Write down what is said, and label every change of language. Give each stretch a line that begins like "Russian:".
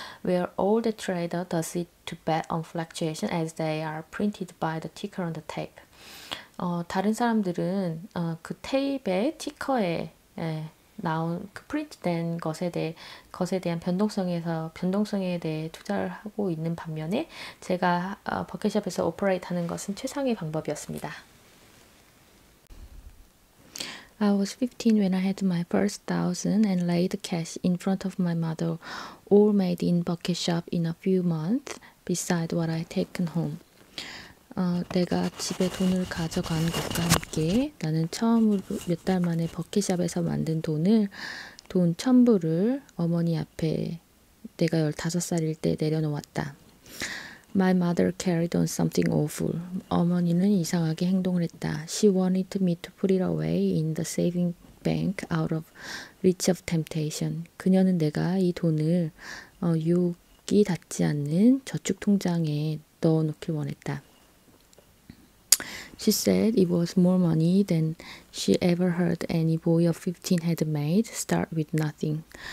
English: Where all the trader does it to bet on fluctuation as they are printed by the ticker on the tape.
Korean: 다른 사람들은 그 테이프에 티커에 나온 그 프린트된 것에 대한 변동성에 대해 투자를 하고 있는 반면에 제가 버킷샵에서 오퍼레이트하는 것은 최상의 방법이었습니다.
English: I was 15 when I had my first thousand and laid cash in front of my mother, all made in bucket shop in a few months, beside what I had taken home.
Korean: 내가 집에 돈을 가져간 것과 함께 나는 처음으로 몇달 만에 버킷샵에서 만든 돈 1,000불을 어머니 앞에 내가 15살일 때 내려놓았다.
English: My mother carried on something awful.
Korean: 어머니는 이상하게 행동을 했다.
English: She wanted me to put it away in the saving bank out of reach of temptation.
Korean: 그녀는 내가 이 돈을 유혹이 닿지 않는 저축 통장에 넣어놓길 원했다.
English: She said it was more money than she ever heard any boy of 15 had made, start with nothing.